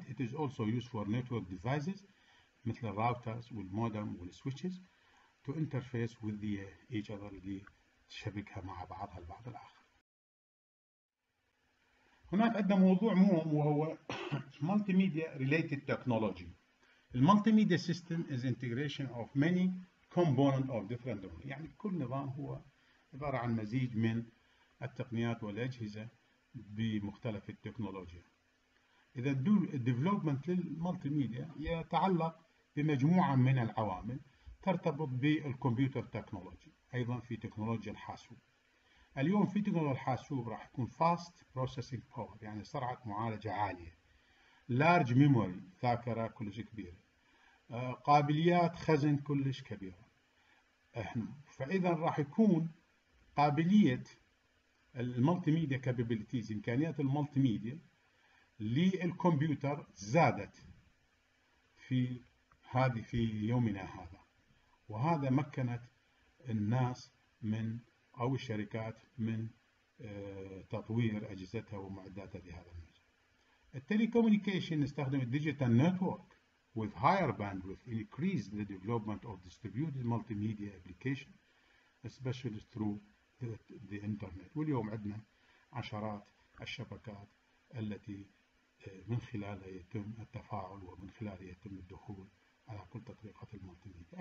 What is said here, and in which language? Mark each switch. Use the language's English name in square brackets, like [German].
[English] It is also used for network devices [Arabic] مثل الراوترز والمودم والسويتشز [English] to interface with each other، [Arabic] لشبكها مع بعضها البعض الآخر. هناك عدة موضوع مهم وهو Multimedia Related Technology. [English] Multimedia System is integration of many components of different domains. [Arabic] يعني كل نظام هو عبارة عن مزيج من التقنيات والأجهزة بمختلف التكنولوجيا. إذا Development للMultimedia يتعلق بمجموعة من العوامل ترتبط بالكمبيوتر تكنولوجي، أيضا في تكنولوجيا الحاسوب. اليوم في تكنولوجيا الحاسوب راح يكون fast processing power، يعني سرعة معالجة عالية، large memory ذاكرة كلش كبيرة، قابليات خزن كلش كبيرة. فإذا راح يكون قابلية الملتيميديا capabilities، إمكانيات الملتيميديا للكمبيوتر زادت في يومنا هذا، وهذا مكنت الناس من أو الشركات من تطوير أجهزتها ومعداتها في هذا المجال. التليكوميونيكيشن نستخدم الديجيتال نتورك [English] with higher bandwidth increase the development of distributed multimedia application especially through the internet. [Arabic] واليوم عندنا عشرات الشبكات التي من خلالها يتم التفاعل ومن خلالها يتم الدخول على كل تطبيقات المالتيميديا.